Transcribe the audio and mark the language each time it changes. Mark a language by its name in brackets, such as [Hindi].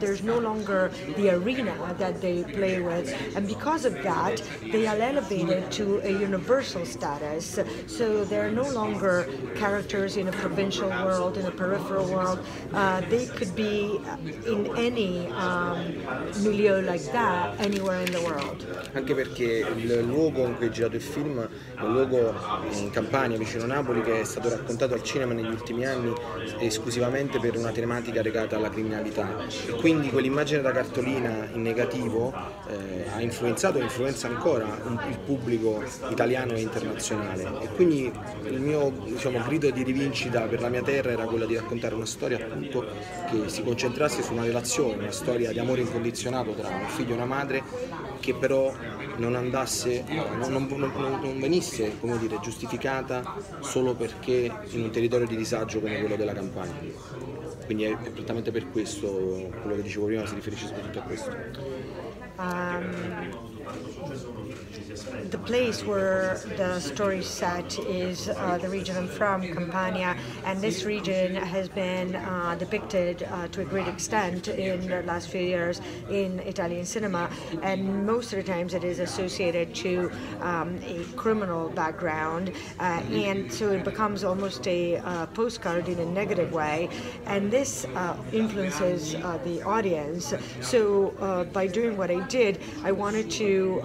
[English] There's no longer the arena that they play with, and because of that, they are elevated to a universal status. So they're no longer characters in a provincial world, in a peripheral world. They could be in any milieu like that, anywhere in the world. [Italian] Anche perché il luogo in cui è girato il film è un luogo in Campania, vicino a Napoli, che è stato raccontato al cinema negli ultimi anni esclusivamente per una tematica legata alla criminalità, e quindi quell'immagine da cartolina in negativo ha influenzato e influenza ancora il pubblico italiano e internazionale, e quindi il mio, diciamo, grido di rivincita per la mia terra era quello di raccontare una storia appunto che si concentrasse su una relazione, una storia di amore incondizionato tra un figlio e una madre, che però non andasse, non venisse, come dire, giustificata solo perché in un territorio di disagio come quello della Campania. Quindi è prettamente per questo, quello che dicevo prima si riferisce soprattutto a questo. [English] The place where the story is set is the region I'm from, Campania, and this region has been depicted to a great extent in the last few years in Italian cinema, and most of the times it is associated to a criminal background, and so it becomes almost a postcard in a negative way, and this influences the audience. So by doing what I did, I wanted to